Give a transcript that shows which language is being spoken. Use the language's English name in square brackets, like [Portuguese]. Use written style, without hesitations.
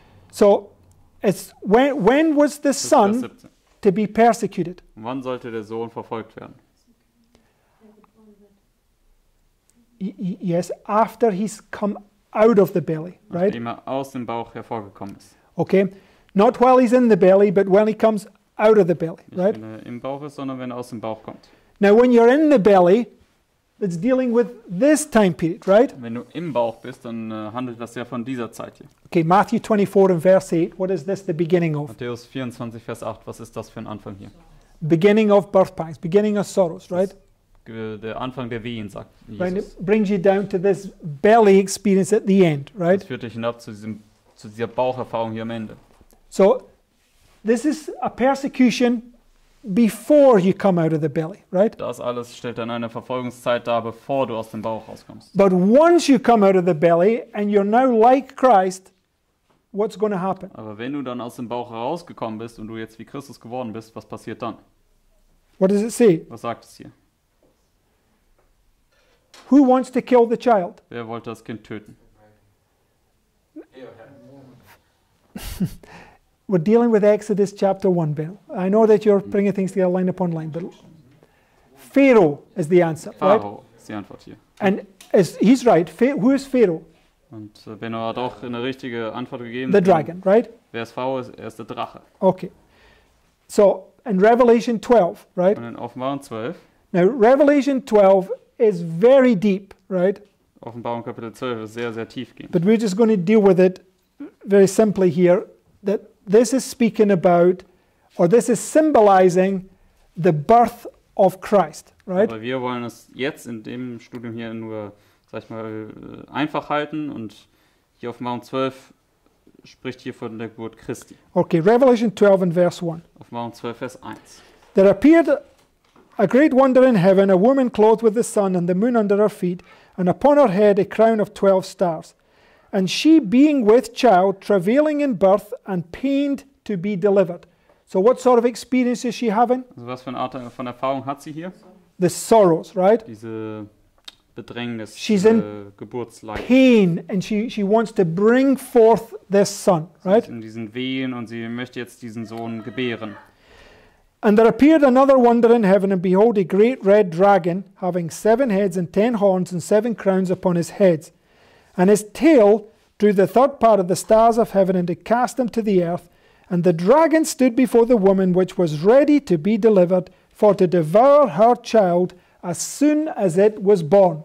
[English] So it's when was the son to be persecuted? [German] Wann sollte der Sohn verfolgt werden? [English] Yes, after he's come out of the belly, right? [German] Nachdem er aus dem Bauch hervorgekommen ist. [English] Okay, not while he's in the belly, but when he comes out of the belly, right? [German] Nicht wenn er im Bauch ist, sondern wenn er aus dem Bauch kommt. [English] Now, when you're in the belly, it's dealing with this time period, right? [German] Wenn du im Bauch bist, dann handelt das ja von dieser Zeit hier. [English] Okay, Matthew 24 and verse 8, what is this the beginning of? [German] Matthäus 24, Vers 8, was ist das für ein Anfang hier? [English] Beginning of birth pangs, beginning of sorrows, right? [German] Der Anfang der Wehen, sagt Jesus. [English] And it brings you down to this belly experience at the end, right? [German] Das führt dich hinab zu dieser Baucherfahrung hier am Ende. [English] So, this is a persecution before you come out of the belly, right? [German] Das alles stellt dann eine Verfolgungszeit dar, bevor du aus dem Bauch rauskommst. [English] But once you come out of the belly and you're now like Christ, what's going to happen? [German] Aber wenn du dann aus dem Bauch rausgekommen bist und du jetzt wie Christus geworden bist, was passiert dann? [English] What does it say? [German] Was sagt es hier? [English] Who wants to kill the child? [German] Wer wollte das Kind töten? [English] We're dealing with Exodus chapter 1, Ben. I know that you're bringing things together line upon line, but Pharaoh is the answer, Pharaoh right? [German] ist die Antwort hier. [English] And is, he's right. Who is Pharaoh? [German] Und Benno hat auch eine richtige Antwort gegeben. [English] The dragon, right? [German] Wer ist Pharaoh? Er ist der Drache. [English] Okay. So, in Revelation 12, right? [German] Und in Offenbarung 12. [English] Now, Revelation 12 is very deep, right? [German] Offenbarung Kapitel 12 ist sehr, sehr tiefgehend. [English] But we're just going to deal with it very simply here, that this is speaking about, or this is symbolizing the birth of Christ, right? [German] Aber wir wollen es jetzt in dem Studium hier nur, sag ich mal, einfach halten. Und hier Offenbarung 12 spricht hier von der Geburt Christi. [English] Okay, Revelation 12 and verse 1. [German] Offenbarung 12, Vers 1. [English] There appeared a great wonder in heaven, a woman clothed with the sun and the moon under her feet, and upon her head a crown of 12 stars. And she being with child, travailing in birth, and pained to be delivered. So what sort of experience is she having? [German] Also was für eine Art von Erfahrung hat sie hier? [English] The sorrows, right? [German] Diese Bedrängnis, [English] she's in [German] Geburtsleid. [English] Pain, and she wants to bring forth this son, right? [German] Sie ist in diesen Wehen und sie möchte jetzt diesen Sohn gebären. [English] And there appeared another wonder in heaven, and behold, a great red dragon, having 7 heads and 10 horns and 7 crowns upon his heads. And his tail drew the third part of the stars of heaven and it cast them to the earth. And the dragon stood before the woman which was ready to be delivered for to devour her child as soon as it was born.